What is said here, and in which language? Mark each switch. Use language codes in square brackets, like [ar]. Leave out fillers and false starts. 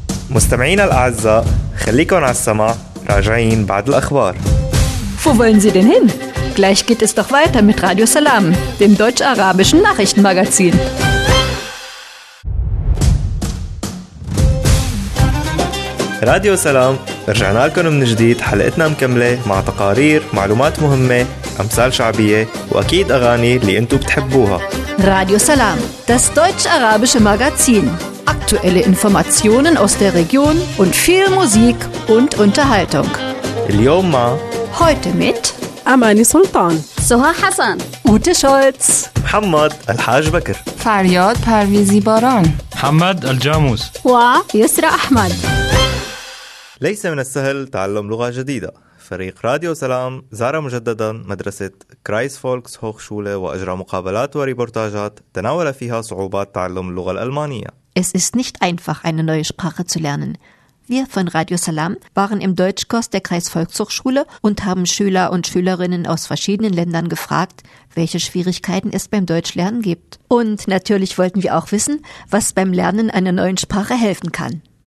[ar] مستمعينا الأعزاء خليكم على السماء راجعين بعد الأخبار. [de] Wo wollen Sie denn hin? Gleich geht es doch weiter mit Radio Salam, dem deutsch-arabischen Nachrichtenmagazin. [ar] Radio Salam, رجعنا لكم من جديد حلقتنا مكملة مع تقارير، معلومات مهمة، أمثال شعبية وأكيد أغاني اللي أنتم بتحبوها. [de] Radio Salam, das deutsch-arabische Magazin. Aktuelle Informationen aus der Region und viel Musik und Unterhaltung. [ar] اليوم مع [de] Heute mit Amani Sultan, [ar] سها حسن، اوت شولتز، محمد الحاج بكر، فرياد پرویزی باران، محمد الجاموس، و يسرى احمد. ليس من السهل تعلم لغة جديدة. فريق راديو سلام زار مجددا مدرسة كرايس فولكس هوخشولة وأجرى مقابلات وريبورتاجات تناول فيها صعوبات تعلم اللغة الألمانية. [de] Es ist nicht einfach, eine neue Sprache zu lernen. Wir von Radio Salam waren im Deutschkurs der Kreisvolkshochschule und haben Schüler und Schülerinnen aus verschiedenen Ländern gefragt, welche Schwierigkeiten es beim Deutschlernen gibt. Und natürlich wollten wir auch wissen, was beim Lernen einer neuen Sprache helfen kann.